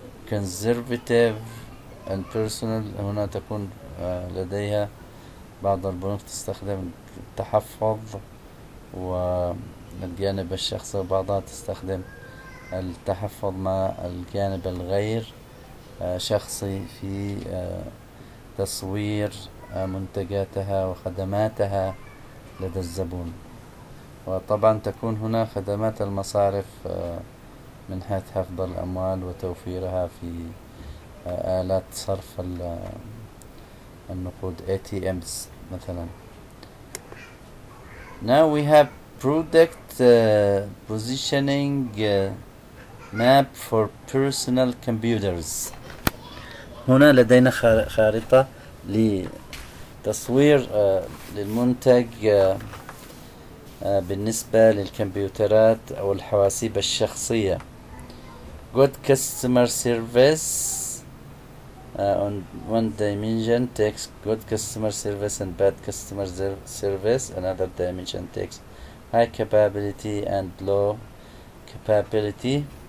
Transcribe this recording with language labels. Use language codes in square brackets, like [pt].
[en] Conservative and personal [ar] هنا تكون لديها بعض البنوك تستخدم التحفظ والجانب الشخصي، وبعضها تستخدم التحفظ مع الجانب الغير شخصي في تصوير منتجاتها وخدماتها لدى الزبون. وطبعا تكون هنا خدمات المصارف من حيث حفظ الأموال وتوفيرها في آلات صرف النقود ATMs مثلا. [en] Now we have product positioning map for personal computers. [ar] هنا لدينا خارطة لتصوير للمنتج بالنسبة للكمبيوترات أو الحواسيب الشخصية. [en] Good customer service on one dimension takes good customer service and bad customer service another dimension takes high capability and low capability.